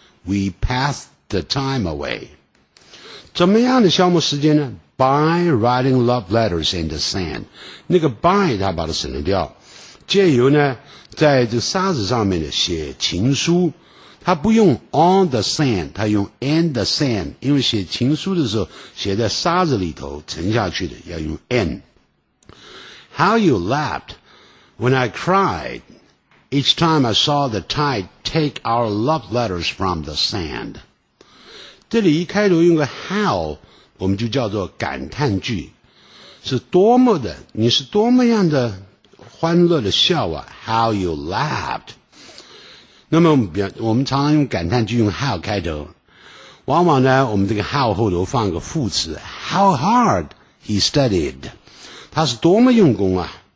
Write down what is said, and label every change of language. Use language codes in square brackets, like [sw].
[en] We pass the time away， [zh] 怎么样的消磨时间呢 ？ [en] By writing love letters in the sand， [zh] 那个 by 他把它省略掉，借由呢在这沙子上面呢写情书，他不用 [en] on the sand， [zh] 他用 [en] in the sand， [zh] 因为写情书的时候写在沙子里头沉下去的，要用 in。 [en] How you laughed。 When I cried, each time I saw the tide take our love letters from the sand. [zh] 这里一开头用个 how， 我们就叫做感叹句，是多么的，你是多么样的欢乐的笑啊 ， [en] how you laughed。 [zh] 那么我们常常用感叹句用 how 开头，往往呢，我们这个 how 后头放个副词 ， [en] how hard he studied， [zh] 他是多么用功啊。